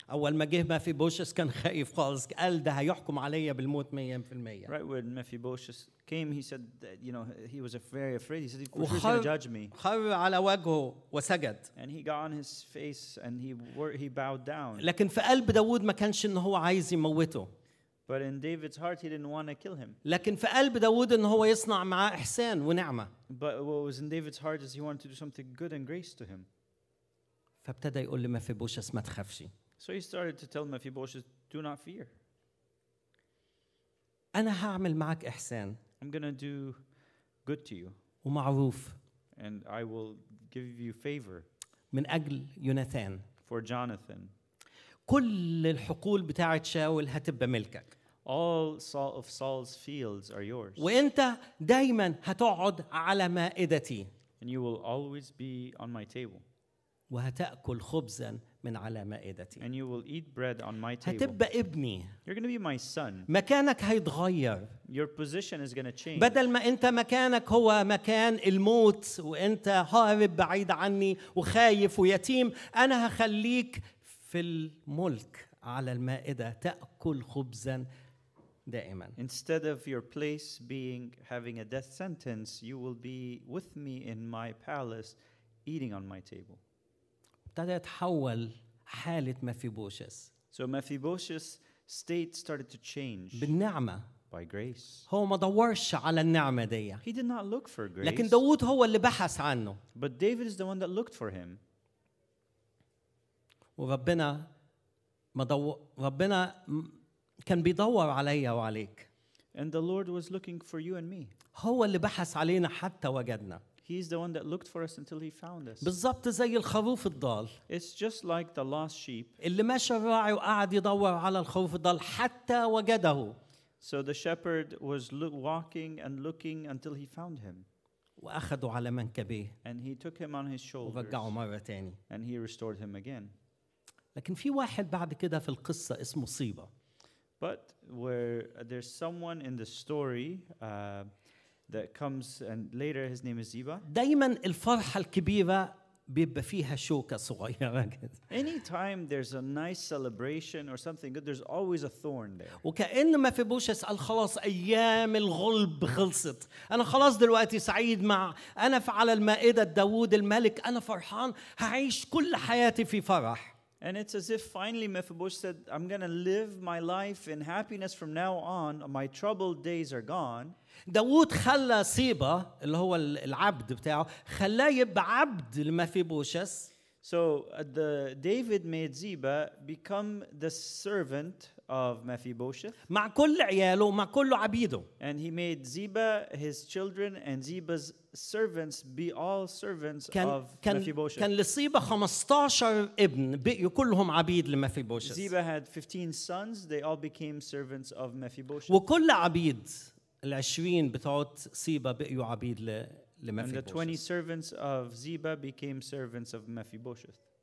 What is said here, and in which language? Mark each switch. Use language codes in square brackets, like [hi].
[ar] أول ما جه مفيبوشث كان خايف خالص. قال ده هيحكم عليا بالموت 100%. [en] Right when Mephibosheth came, he said, that, you know, he was very afraid. He said, "Who's going to judge me?" [ar] خر على وجهه وسجد. [en] And he got on his face and he bowed down. [ar] لكن في قلب داود ما كانش إن هو عايز يموته. [en] But in David's heart, he didn't want to kill him. [ar] لكن في قلب داود إن هو يصنع معه إحسان ونعمة. [en] But what was in David's heart is he wanted to do something good and grace to him. [ar] فابتدى يقول لمفيبوشث ما تخافش. [en] So he started to tell Mephibosheth, "Do not fear." [ar] أنا هعمل معك إحسان. [en] I'm gonna do good to you. [ar] ومعروف. [en] And I will give you favor. [ar] من أجل يوناثان. [en] For Jonathan. [ar] كل الحقول بتاعة شاول هتبقى ملكك. [en] All of Saul's fields are yours. [ar] وأنت دايما هتقعد على مائدتي. [en] And you will always be on my table. [ar] وهتأكل خبزا من على مائدتي. [en] And you will eat bread on my table. [ar] هتبقى ابني. [en] You're going to be my son. [ar] مكانك هيتغير. [en] Your position is going to change. [ar] بدل ما أنت مكانك هو مكان الموت وأنت هارب بعيد عني وخايف ويتيم، أنا هخليك في الملك على المائدة تأكل خبزا دائما. [en] Instead of your place being having a death sentence, you will be with me in my palace, eating on my table. [ar] ابتدى يتحول حالة مفيبوشث. [en] So Mephibosheth's state started to change. [ar] بالنعمة. [en] By grace. [ar] هو ما دورش على النعمة دي. [en] He did not look for grace. [ar] لكن داود هو اللي بحث عنه. [en] But David is the one that looked for him. [ar] وربنا ربنا كان بيدور عليا وعليك. [en] And the Lord was looking for you and me. [ar] هو اللي بحث علينا حتى وجدنا. [en] He's the one that looked for us until he found us. [ar] بالضبط زي الخروف الضال. [en] It's just like the lost sheep. [ar] اللي ماشى الراعي وقعد يدور على الخروف الضال حتى وجده. [en] So the shepherd was walking and looking until he found him. [ar] وأخذه على منكبيه. [en] And he took him on his shoulders. [ar] ورجعه مرة تاني. [en] And he restored him again. [ar] لكن في واحد بعد كده في القصة اسمه صيبة. [en] But where there's someone in the story that comes and later his name is Ziba. [ar] دايما الفرحة الكبيرة بيبقى فيها شوكة صغيرة. [en] Anytime there's a nice celebration or something good, there's always a thorn there. [ar] وكأن مفيبوشث قال خلاص أيام الغلب خلصت. أنا خلاص دلوقتي سعيد مع أنا على المائدة داود الملك أنا فرحان هعيش كل حياتي في فرح. [en] And it's as if finally Mephibosheth said, "I'm going to live my life in happiness from now on. My troubled days are gone." [ar] داود خلى صيبة اللي هو العبد بتاعه خلاه يبقى عبد لمفيبوشث. [en] So the David made Ziba become the servant of Mephibosheth. [ar] مع كل عياله مع كل عبيده. [en] And he made Ziba his children and Ziba's servants be all servants of Mephibosheth. [ar] كان لصيبة 15 ابن بقوا كلهم عبيد لمفيبوشث. [en] Ziba had 15 sons. They all became servants of Mephibosheth. [ar] وكل عبيد العشرين بتاعت صيبة بقوا عبيد [en] And the 20 servants of Ziba became servants of Mephibosheth.